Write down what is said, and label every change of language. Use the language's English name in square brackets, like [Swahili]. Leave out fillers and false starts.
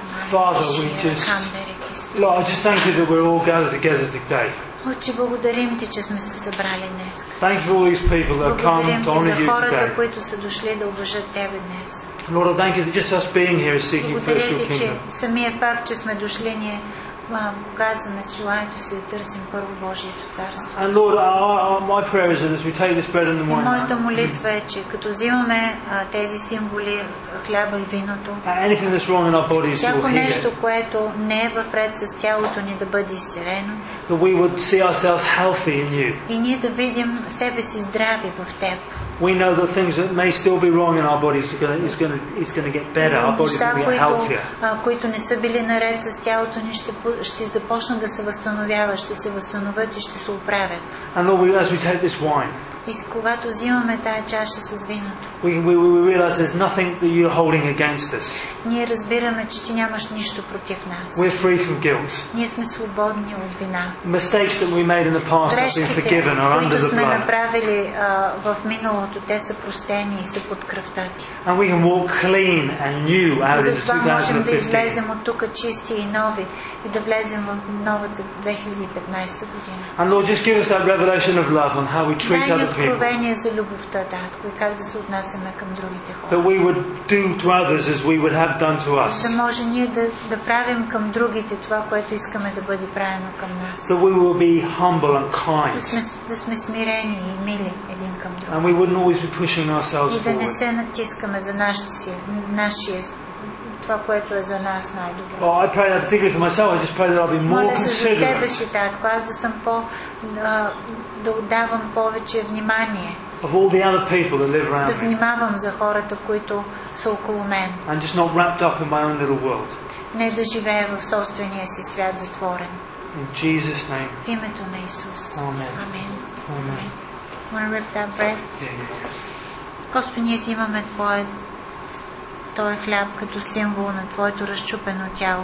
[English] Father, we just Lord, I just thank you that we're all gathered together today. [Bulgarian] Отче, благодарим ти, че сме се събрали днес. [English] Thank you for all these people that come to honor you today. [Bulgarian] Благодарим ти за хората, които са дошли да уважат тебе днес. [English] Lord, I thank you that just us being here is seeking first your kingdom. [Bulgarian] Благодарим ти, че самия факт, че сме дошли, ние показваме желанието си да търсим първо Божието царство. [English] And Lord, my prayer is that as we take this bread and the wine. [Bulgarian] Моята молитва е, че като взимаме тези символи, хляба и виното. [English] Anything that's wrong in our bodies will heal. [Bulgarian] Всяко нещо, което не е в ред с тялото ни, да бъде изцелено. [English] That we would see ourselves healthy in you. [Bulgarian] И ние да видим себе си здрави в теб. [English] We know that things that may still be wrong in our bodies is going to get better. Our bodies will get healthier. [Bulgarian] Които не са били наред с тялото ни, ще започнат да се възстановяват, ще се възстановят и ще се оправят. [English] And Lord, as we take this wine, [Bulgarian] и когато взимаме тая чаша с виното, [English] we realize there's nothing that you're holding against us. [Bulgarian] Ние разбираме, че ти нямаш нищо против нас. [English] We're free from guilt. [Bulgarian] Ние сме свободни от вина. [English] Mistakes that we made in the past have been forgiven or under the blood. [Bulgarian] Грешките, които сме направили в миналото, те са простени и са под кръвта ти. [English] And we can walk clean and new out into 2015. [Bulgarian] Затова можем да излезем от тук чисти и нови и да влезем в новата 2015 година. [English] And Lord, just give us that revelation of love on how we treat our [Bulgarian] откровение за любовта, да, и как да се отнасяме към другите хора. [English] That we would do to others as we would have done to us. [Bulgarian] Да може ние да правим към другите това, което искаме да бъде правено към нас. [English] That we will be humble and kind. [Bulgarian] Да сме смирени и мили един към друг. [English] And we wouldn't always be pushing ourselves forward. [Bulgarian] И да не се натискаме за нашия това, което е за нас най-добро. [English] Well, I pray that particularly for myself. I just pray that I'll be more considerate. [Bulgarian] Моля се за себе си, татко, аз да съм по да отдавам повече внимание. [English] Of all the other people that live around me. [Bulgarian] Да внимавам за хората, които са около мен. [English] And just not wrapped up in my own little world. [Bulgarian] Не да живея в собствения си свят затворен. [English] In Jesus' name. [Bulgarian] В името на Исус. [English] Amen. Amen. Amen. Want to rip that bread? Yeah. [Bulgarian] Господи, ние взимаме Твое Той е хляб като символ на Твоето разчупено тяло.